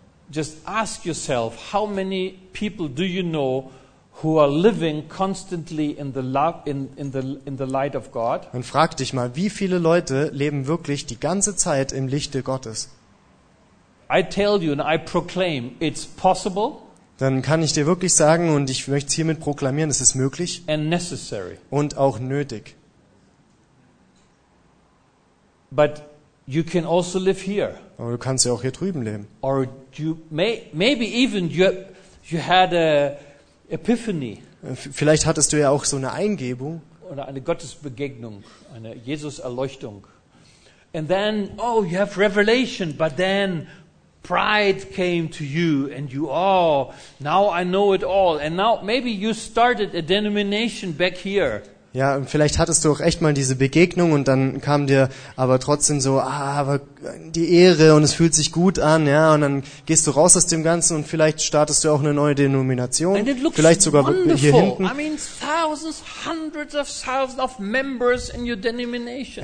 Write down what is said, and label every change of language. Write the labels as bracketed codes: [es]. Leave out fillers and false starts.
[en] Just ask yourself, how many people do you know who are living constantly in the love in the light of God? [de] Und frag dich mal, wie viele Leute leben wirklich die ganze Zeit im Lichte Gottes? [en] I tell you and I proclaim, it's possible. [de] Dann kann ich dir wirklich sagen und ich möchte es hiermit proklamieren, es ist möglich. [en] And necessary. [de] Und auch nötig. [en] But you can also live here. [de] Aber du kannst ja auch hier drüben leben. [en] Or you maybe even you had a Epiphany. [de] Vielleicht hattest du ja auch so eine Eingebung oder eine Gottesbegegnung, eine Jesuserleuchtung. [en] And then oh you have revelation, but then pride came to you and you oh now I know it all and now maybe you started a denomination back here. [de] Ja, und vielleicht hattest du auch echt mal diese Begegnung und dann kam dir aber trotzdem so aber die Ehre und es fühlt sich gut an, ja, und dann gehst du raus aus dem Ganzen und vielleicht startest du auch eine neue Denomination, vielleicht sogar hier hinten. [en] I mean thousands, hundreds of thousands of members in your denomination.